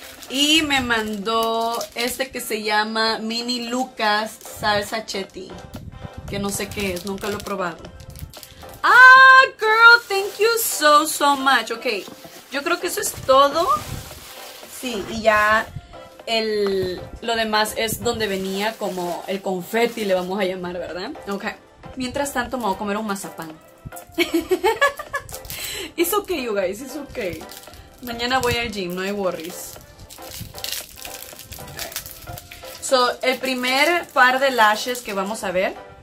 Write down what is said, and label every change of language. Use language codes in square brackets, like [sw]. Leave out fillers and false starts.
[es] Y me mandó este que se llama Mini Lucas Salsa Chetty, que no sé qué es, nunca lo he probado. [en] Ah, girl, thank you so, so much. [es] Ok, yo creo que eso es todo. Sí, y ya el, lo demás es donde venía como el confeti, le vamos a llamar, ¿verdad? Ok. Mientras tanto, me voy a comer un mazapán. [en] It's okay, you guys, it's okay. [es] Mañana voy al gym, no hay [en] worries. [es] So, el primer par de lashes que vamos a ver.